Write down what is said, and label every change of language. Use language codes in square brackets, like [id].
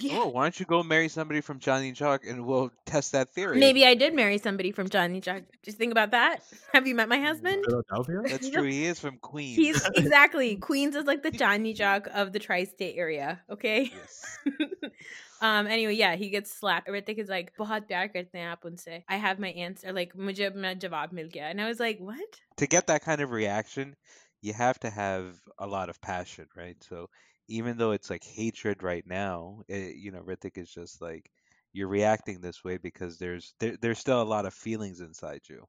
[en] Oh, why don't you go marry somebody from Johnny Chuck and we'll test that theory? Maybe I did marry somebody from Johnny Chuck. Just think about that. Have you met my husband? That's true. He is from Queens. He's exactly. Queens is like the Johnny Chuck of the tri-state area. Okay. Yes. Anyway, yeah, he gets slapped. Hrithik is like, [hi] "बहुत प्यार करते हैं आप उनसे।" [en] I have my answer, like, [hi] "Mujhe apna jawab mil gaya." [en] And I was like, what? To get that kind of reaction, you have to have a lot of passion, right? So even though it's like hatred right now, Hrithik is just like, you're reacting this way because there's still a lot of feelings inside you.